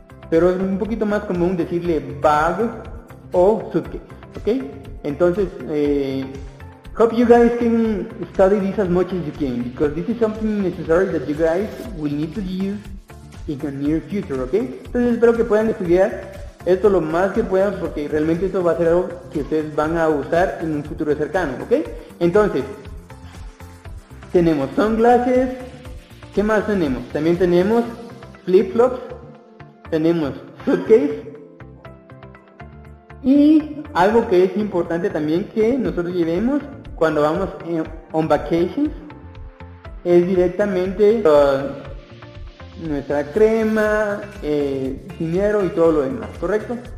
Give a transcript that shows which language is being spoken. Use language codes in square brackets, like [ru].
[es] Pero es un poquito más común decirle bag o suitcase, ¿ok? [en] Entonces, hope you guys can study this as much as you can, because this is something necessary that you guys will need to use in the near future, ¿ok? [es] Entonces espero que puedan estudiar esto lo más que puedan, porque realmente esto va a ser algo que ustedes van a usar en un futuro cercano, ¿ok? Entonces, tenemos sunglasses, ¿qué más tenemos? También tenemos flip-flops, tenemos suitcase, y algo que es importante también que nosotros llevemos cuando vamos [en] on vacations [es] es directamente nuestra crema, dinero y todo lo demás, ¿correcto?